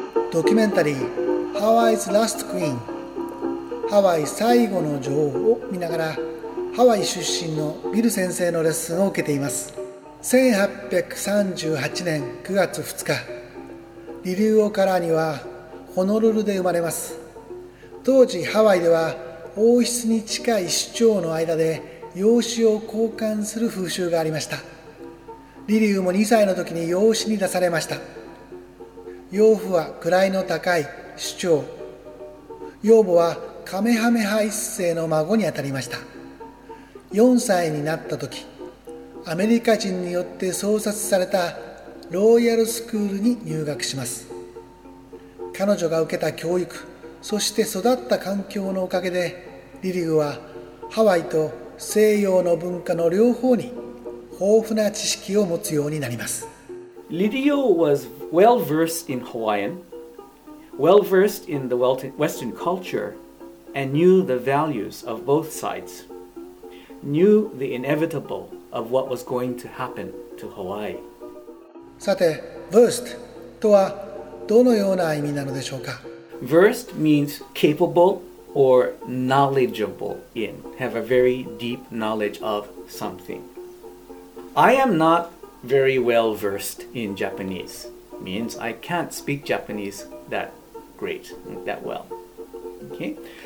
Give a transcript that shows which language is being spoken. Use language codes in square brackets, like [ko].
[en] Documentary Hawaii's Last Queen. [ja] ハワイ最後の女王を見ながら、ハワイ出身のビル先生のレッスンを受けています。 1838年9月2日、リリュー・オ・カラーニはホノルルで生まれます。当時ハワイでは王室に近い首長の間で養子を交換する風習がありました。リリューも2歳の時に養子に出されました。養父は位の高い首長、養母はカメハメハ一世の孫にあたりました。 4歳になった時、アメリカ人によって創設されたロイヤルスクールに入学します。彼女が受けた教育、そして育った環境のおかげで、リリューはハワイと西洋の文化の両方に豊富な知識を持つようになります。 [en] リリュー was well versed in Hawaiian, well versed in the Western culture. And knew the values of both sides, knew the inevitable of what was going to happen to Hawaii. [ja] さて、versed とはどのような意味なのでしょうか? [en] Versed means capable or knowledgeable in, have a very deep knowledge of something. I am not very well versed in Japanese, means I can't speak Japanese that well. Okay?